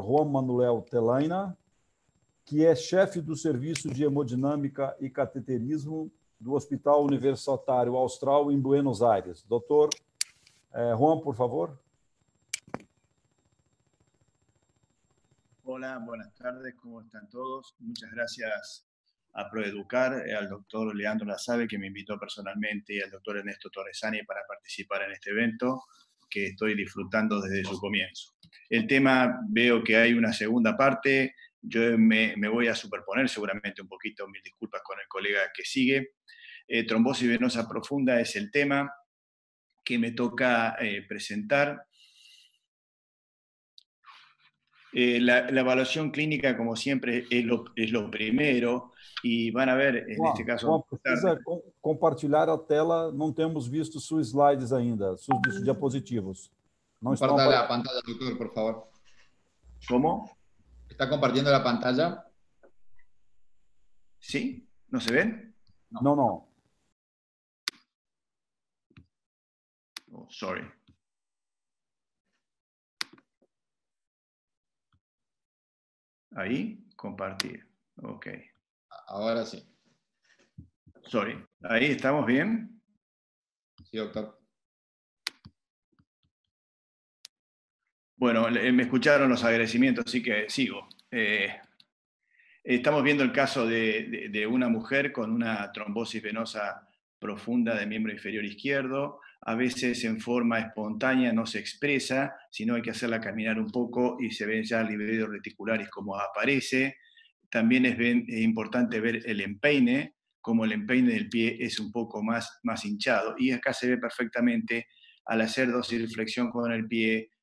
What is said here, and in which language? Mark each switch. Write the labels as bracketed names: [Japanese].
[Portuguese] Juan Manuel Telaina, que é chefe do Serviço de Hemodinâmica e Cateterismo do Hospital Universitário Austral em Buenos Aires. Doutor Juan, por favor. Olá, boa tarde, como estão todos? Muitas graças a Proeducar, ao Dr. Leandro Lazabe, que me invitou personalmente, e ao Dr. [Spanish] Ernesto Torresani [Portuguese] para participar neste evento, [Spanish] que estoy disfrutando desde su comienzo. El tema, veo que hay una segunda parte, yo me voy a superponer seguramente un poquito, mil disculpas con el colega que sigue. Trombosis venosa profunda es el tema que me toca presentar. La evaluación clínica, como siempre, es lo primero, y van a ver, en este caso... [Portuguese] compartilhar a tela, não temos visto seus slides ainda, seus diapositivos. Compartilhar a pantalla, doutor, por favor. Como? Está compartilhando a pantalla? Sim? Não se vê? Não, não. [English] Oh, sorry. [Spanish] Aí, compartir. Ok. [Portuguese] Agora sim. [English] Sorry. [Portuguese] Aí, estamos bem? Sim, doutor. Bueno, me escucharam os agradecimentos, assim que sigo. Estamos vendo o caso de uma mulher com uma trombose venosa profunda de membro inferior esquerdo. [Spanish] A veces en forma espontánea no se expresa, sino hay que hacerla caminar un poco y se ven ya libido reticulares como aparece. También es importante ver el empeine, como el empeine del pie es un poco más hinchado. Y acá se ve perfectamente al hacer dorsiflexión con el pie,